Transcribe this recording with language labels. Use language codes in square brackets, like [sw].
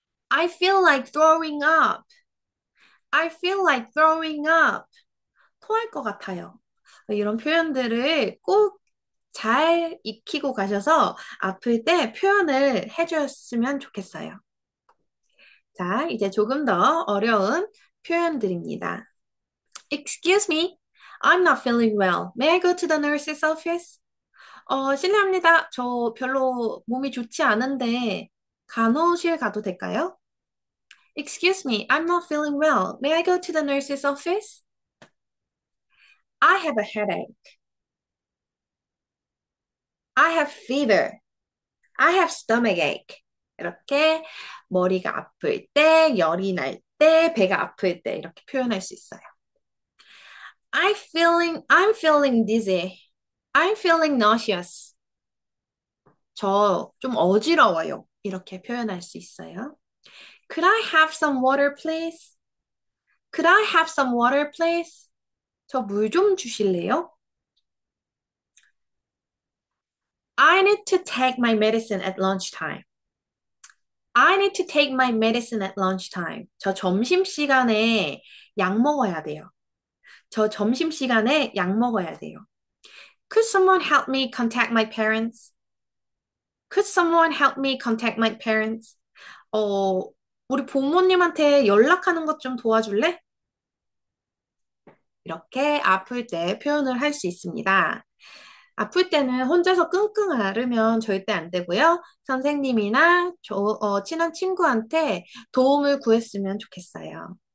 [en] I feel like throwing up. I feel like throwing up. [ko] 토할 것 같아요. 이런 표현들을 꼭잘 익히고 가셔서 아플 때 표현을 해주셨으면 좋겠어요. 자, 이제 조금 더 어려운 표현들입니다. [en] Excuse me, I'm not feeling well. May I go to the nurse's office? [ko] 실례합니다. 저 별로 몸이 좋지 않은데 간호실 가도 될까요? [en] Excuse me, I'm not feeling well. May I go to the nurse's office? I have a headache. I have fever. I have stomach ache. [ko] 이렇게 머리가 아플 때, 열이 날 때, 배가 아플 때 이렇게 표현할 수 있어요. [en] I'm feeling dizzy. I'm feeling nauseous. [ko] 저좀 어지러워요. 이렇게 표현할 수 있어요. [en] Could I have some water, please? Could I have some water, please? [ko] 저물좀 주실래요? [en] I need to take my medicine at lunchtime. I need to take my medicine at lunchtime. [ko] 저 점심시간에 약 먹어야 돼요. 저 점심시간에 약 먹어야 돼요. [en] Could someone help me contact my parents? Could someone help me contact my parents? [ko] 우리 부모님한테 연락하는 것좀 도와줄래? 이렇게 아플 때 표현을 할수 있습니다. 아플 때는 혼자서 끙끙 앓으면 절대 안 되고요. 선생님이나 친한 친구한테 도움을 구했으면 좋겠어요.